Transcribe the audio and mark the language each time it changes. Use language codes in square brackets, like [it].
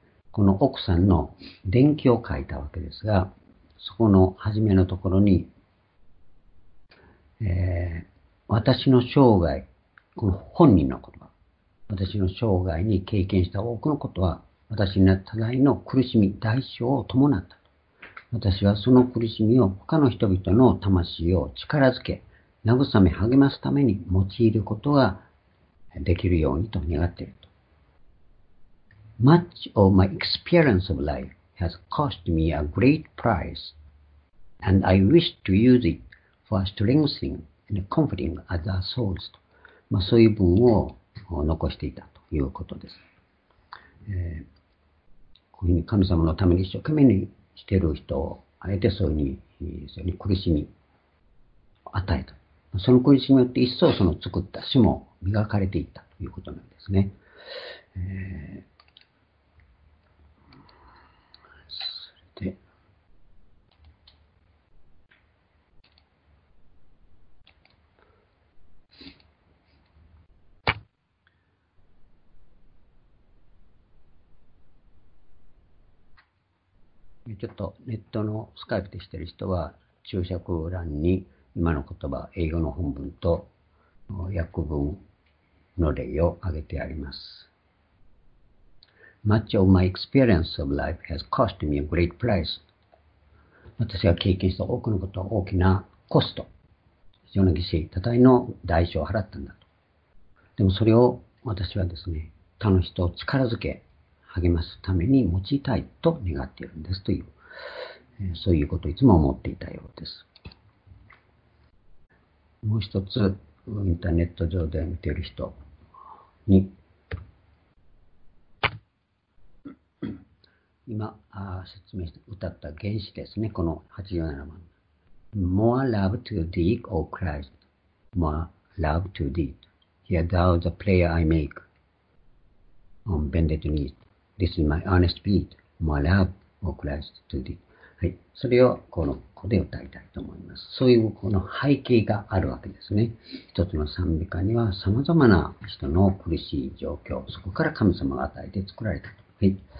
[ja] この奥さんの伝記を書いたわけですが、そこの初めのところに、私の生涯、この本人の言葉、私の生涯に経験した多くのことは、私には多大の苦しみ、代償を伴った。私はその苦しみを他の人々の魂を力づけ、慰め、励ますために用いることができるようにと願っていると。 [en] Much of my experience of life has cost me a great price, and I wish to use it for strengthening and comforting other souls. [ja] と、まあ、そういう文を残していたということです。こういうふうに神様のために一生懸命にしている人を、あえてそういうふうに苦しみを与えた。その苦しみによって一層その作った詩も磨かれていったということなんですね。それで、ちょっとネットのスカイプでしてる人は注釈欄に今の言葉、英語の本文と訳文の例を挙げてあります。 [en] Much of my experience of life has cost me a great price. [ja] 私が経験した多くのことは大きなコスト、非常な犠牲、多大の代償を払ったんだと。でもそれを私はですね、他の人を力づけ、励ますために用いたいと願っているんですという、そういうことをいつも思っていたようです。もう一つ、インターネット上で見ている人に、今説明して歌った原詩ですね、この87番。 [en] More love to thee, O Christ. More love to thee. Hear thou the prayer I make on bended knees. This is my honest beat, my love, O Christ, to thee. [ja] はい。それをこの子で歌いたいと思います。そういうこの背景があるわけですね。一つの賛美歌には様々な人の苦しい状況、そこから神様が与えて作られた。はい。